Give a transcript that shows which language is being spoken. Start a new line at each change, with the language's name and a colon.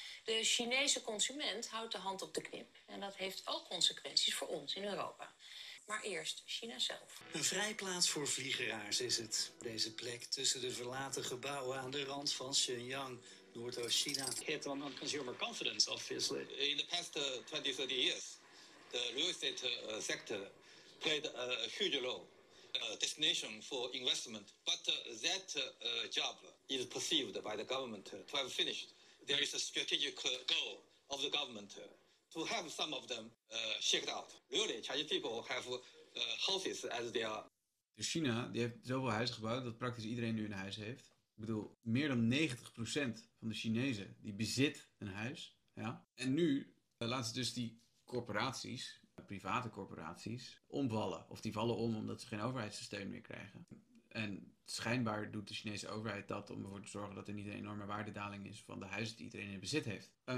Dutch: De Chinese consument houdt de hand op de knip. En dat heeft ook consequenties voor ons in Europa. Maar eerst China zelf. Een vrijplaats voor vliegeraars is het. Deze plek tussen de verlaten gebouwen aan de rand van Shenyang, Noordoost-China.
English: Hit on consumer confidence, obviously. In the past 20, 30 years, the real estate sector played a huge role, a destination for investment. But that job is perceived by the government to have finished. There is a strategic goal of the government to have some of them shaked out. Really, Chinese people have houses as they are.
Dutch: Dus China die heeft zoveel huizen gebouwd dat praktisch iedereen nu een huis heeft. Ik bedoel, meer dan 90% van de Chinezen die bezit een huis. Ja? En nu laat ze dus die corporaties, private corporaties, omvallen. Of die vallen om omdat ze geen overheidssteun meer krijgen. En schijnbaar doet de Chinese overheid dat om ervoor te zorgen dat er niet een enorme waardedaling is van de huizen die iedereen in bezit heeft.